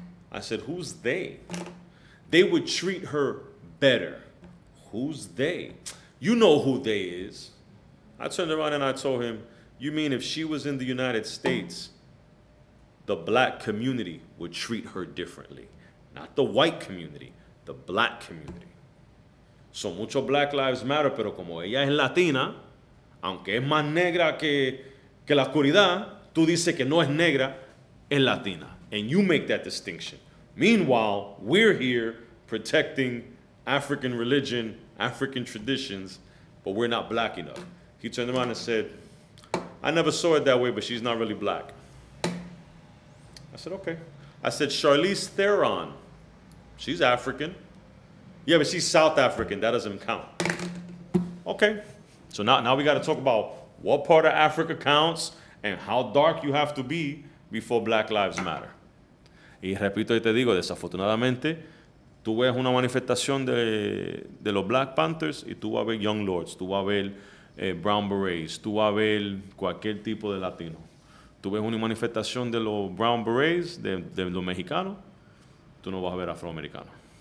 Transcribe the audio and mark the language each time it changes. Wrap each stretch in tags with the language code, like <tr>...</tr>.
<en>I said, who's they? They would treat her better. Who's they? You know who they is. I turned around and I told him, you mean if she was in the United States, the black community would treat her differently. Not the white community, the black community.</en> <es>So mucho Black Lives Matter, pero como ella es latina, aunque es más negra que la oscuridad, tú dices que no es negra, es latina.</es> <en>And you make that distinction. Meanwhile, we're here protecting African religion, African traditions, but we're not black enough. He turned around and said, I never saw it that way, but she's not really black. I said, okay. I said, Charlize Theron, she's African. Yeah, but she's South African. That doesn't count. Okay. So now we got to talk about what part of Africa counts and how dark you have to be before Black Lives Matter.</en> <es>Y repito y te digo, desafortunadamente, tú ves una manifestación de los Black Panthers y tú vas a ver Young Lords, tú vas a ver Brown Berets, tú vas a ver cualquier tipo de latino. Tú ves una manifestación de los Brown Berets, de los mexicanos, tú no vas a ver afroamericanos.</es>